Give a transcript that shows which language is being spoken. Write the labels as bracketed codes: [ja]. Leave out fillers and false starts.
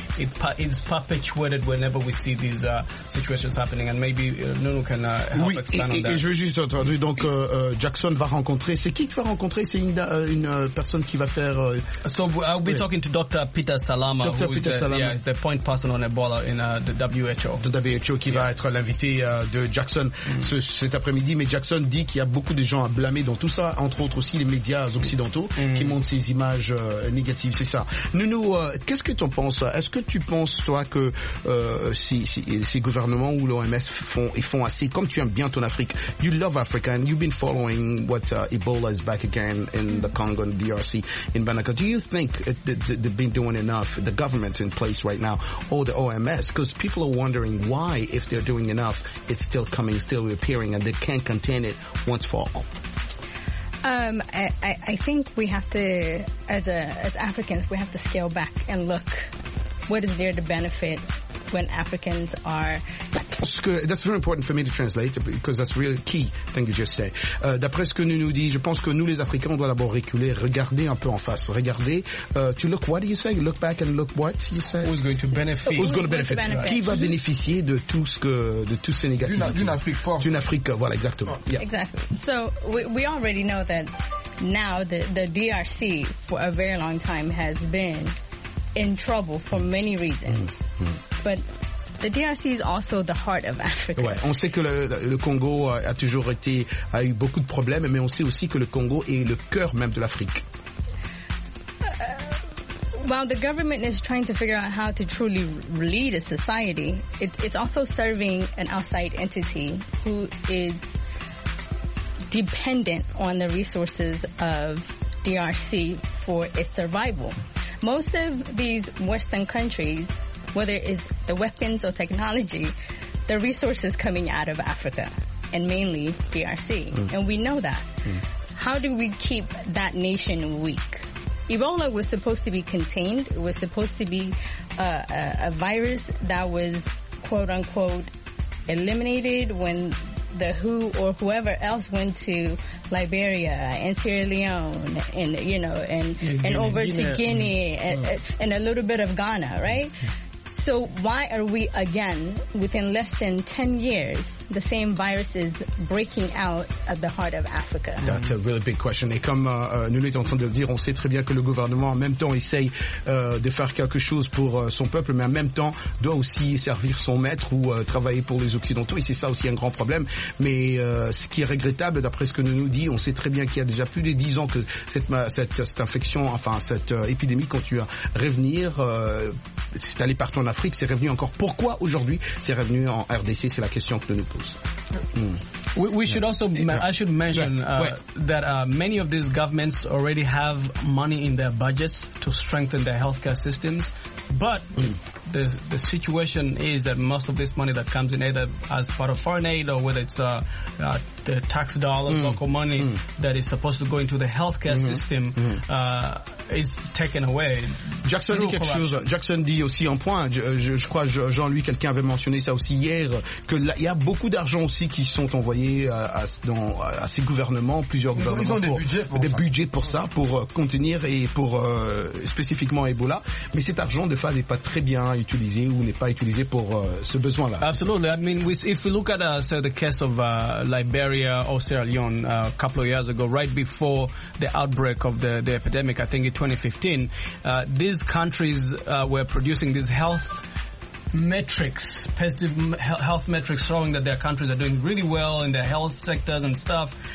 [en] It's perpetuated whenever we see these situations happening, and maybe Nunu can help expand on that. [fr] Je veux juste traduire. Donc Jackson va rencontrer. C'est qui tu vas rencontrer? C'est une personne qui va faire. [en] So I'll be talking to Dr. Peter Salama. Dr. Peter Salama, yeah, the point person on Ebola in the WHO. [fr] The WHO qui va être l'invité de Jackson cet après-midi. Mais Jackson dit qu'il y a beaucoup de gens à blâmer dans tout ça, entre autres aussi les médias occidentaux qui montrent ces images négatives. C'est ça. Nunu, qu'est-ce que tu en penses? Est-ce que tu penses, toi, que ces gouvernements ou l'OMS font assez? Comme tu aimes bien ton Afrique, [en] you love Africa and you've been following what Ebola is back again in the Congo and DRC in Banaka. Do you think they've been doing enough, the government in place right now, or the OMS? Because people are wondering why, if they're doing enough, it's still coming, still reappearing, and they can't contain it once for all. I think we have to, as Africans, we have to scale back and look what is there to benefit when Africans are. That's very important for me to translate because that's really key thing you just said. [fr] D'après ce que nous dit, je pense que nous les Africains, on doit d'abord reculer, regarder un peu en face, regarder. [en] To look, what do you say? Look back and look what you say. Who's going to benefit? Who's going to benefit? Right. [fr] Qui va bénéficier de tout ce que de tous ces négatifs? D'une Afrique forte. D'une Afrique, voilà, exactement. [en] Yeah. Exactly. So we already know that now the DRC for a very long time has been in trouble for many reasons, but the DRC is also the heart of Africa. [fr] Ouais, on sait que le Congo a toujours été a eu beaucoup de problèmes, mais on sait aussi que le Congo est le cœur même de l'Afrique. [en] While the government is trying to figure out how to truly lead a society, it's also serving an outside entity who is dependent on the resources of DRC for its survival. Most of these Western countries, whether it's the weapons or technology, the resources coming out of Africa, and mainly DRC. And we know that. How do we keep that nation weak? Ebola was supposed to be contained. It was supposed to be a virus that was, quote unquote, eliminated when the WHO or whoever else went to Liberia and Sierra Leone and, you know, and over to Guinea and a little bit of Ghana, right? So why are we again, within less than 10 years, the same viruses breaking out at the heart of Africa? That's a really big question. [fr] Et comme Nuno est en train de le dire, on sait très bien que le gouvernement, en même temps, essaye de faire quelque chose pour son peuple, mais en même temps, doit aussi servir son maître ou travailler pour les Occidentaux. Et c'est ça aussi un grand problème. Mais ce qui est regrettable, d'après ce que Nuno dit, on sait très bien qu'il y a déjà plus de 10 ans que cette infection, enfin cette épidémie, continue à revenir. C'est allé partout en Afrique, c'est revenu encore. Pourquoi aujourd'hui c'est revenu en RDC? C'est la question que nous posons. [en] We should also, I should mention that many of these governments already have money in their budgets to strengthen their healthcare systems, but the situation is that most of this money that comes in either as part of foreign aid or whether it's the tax dollars, local money that is supposed to go into the healthcare system is taken away. [fr] Jackson dit quelque chose. Jackson dit aussi un point. Je crois Jean-Louis, quelqu'un avait mentionné ça aussi hier, que il y a beaucoup d'argent aussi qui sont envoyés à ces gouvernements, plusieurs gouvernements. Ils ont des budgets pour ça, pour contenir et pour spécifiquement Ebola. Mais cet argent, de fait, n'est pas très bien utilisé ou n'est pas utilisé pour ce besoin-là. [en] Absolutely. I mean, if we look at the case of Liberia or Sierra Leone a couple of years ago, right before the outbreak of the epidemic, I think in 2015, these countries were producing these health metrics, positive health metrics, showing that their countries are doing really well in their health sectors and stuff.